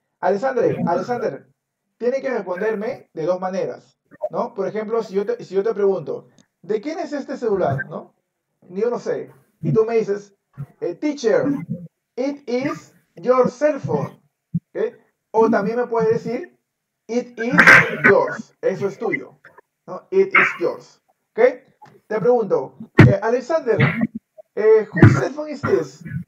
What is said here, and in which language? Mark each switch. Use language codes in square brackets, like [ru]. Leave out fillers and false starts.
[es] Alexandre, tiene que responderme de dos maneras, ¿no? Por ejemplo, si yo te pregunto, ¿de quién es este celular? ¿No? Yo no sé. Y tú me dices, [en] teacher, it is your cell phone. ¿Okay? [es] O también me puedes decir, [en] it is yours. [es] Eso es tuyo, ¿no? [en] It is yours. [es] ¿Okay? Te pregunto, [en] Alexander, whose cell phone is this?